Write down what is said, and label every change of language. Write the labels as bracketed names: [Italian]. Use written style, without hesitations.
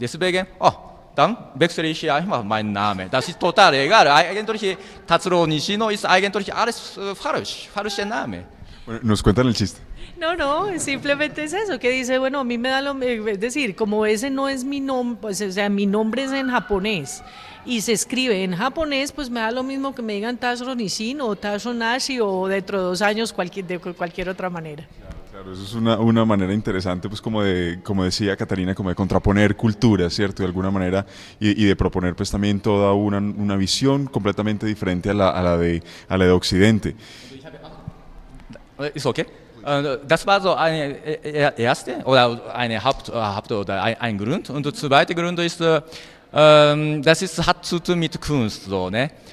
[German] Deswegen, dann wechsle ich einfach meinen Namen. Das ist total egal. Eigentlich, Tatsuro Nishino ist eigentlich alles falsch, falscher Name. [Spanish] Bueno, nos cuentan el chiste. No, no, simplemente es eso, que dice, bueno, a mí me da lo, es decir, como ese no es mi nombre, pues, o sea, mi nombre es en japonés y se escribe en japonés, pues me da lo mismo que me digan Tazo Nishin o Tazo Nashi o dentro de 2 años de cualquier otra manera. Claro, eso es una manera interesante, pues como decía Catarina, como de contraponer cultura, ¿cierto? De alguna manera, y de proponer pues también toda una visión completamente diferente a la de Occidente. ¿Es ok? [German] Das war so eine erste oder eine Haupt oder ein Grund. Und der zweite Grund ist, das ist hat zu tun mit Kunst, so, ne?